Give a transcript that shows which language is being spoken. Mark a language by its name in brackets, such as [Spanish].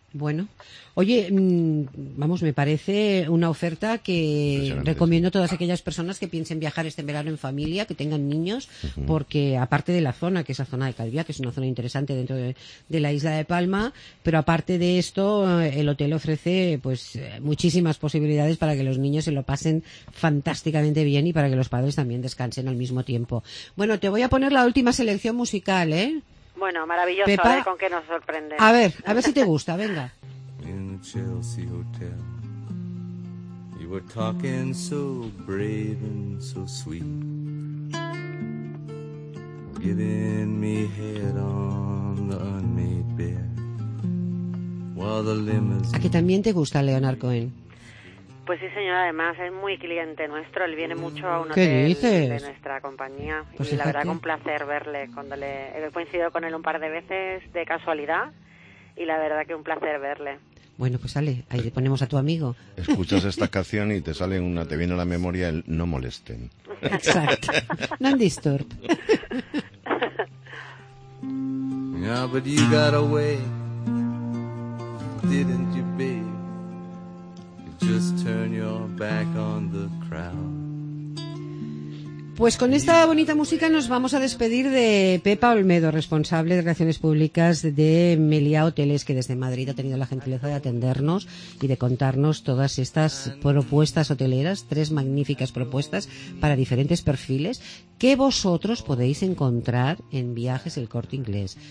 [Spanish] Bueno, oye, vamos, me parece una oferta que recomiendo a todas aquellas personas que piensen viajar este verano en familia, que tengan niños, porque aparte de la zona, que es la zona de Calviá, que es una zona interesante dentro de la isla de Palma, pero aparte de esto, el hotel ofrece pues muchísimas posibilidades para que los niños se lo pasen fantásticamente bien y para que los padres también descansen al mismo tiempo. Bueno, te voy a poner la última selección musical, ¿eh? Bueno, maravilloso, Pepa, ¿eh? Con qué nos sorprende. A ver si te gusta, venga. [English] In the Chelsea Hotel, you were talking so brave and so sweet, giving me head on the unmade bed, while the limousine... [Spanish] ¿A que también te gusta Leonard Cohen? Pues sí, señora, además es muy cliente nuestro, él viene mucho a un ¿qué hotel dices? De nuestra compañía, pues y la verdad que un placer verle, cuando he coincidido con él un par de veces de casualidad, y la verdad que un placer verle. Bueno, pues sale, ahí le ponemos a tu amigo. Escuchas esta canción y te sale una, te viene a la memoria el no molesten. Exacto, no disturb. [English] Yeah, but you got away, didn't you, babe? Just turn your back on the crowd. [Spanish] Pues con esta bonita música nos vamos a despedir de Pepa Olmedo, responsable de Relaciones Públicas de Meliá Hoteles, que desde Madrid ha tenido la gentileza de atendernos y de contarnos todas estas propuestas hoteleras, tres magníficas propuestas para diferentes perfiles que vosotros podéis encontrar en Viajes El Corte Inglés.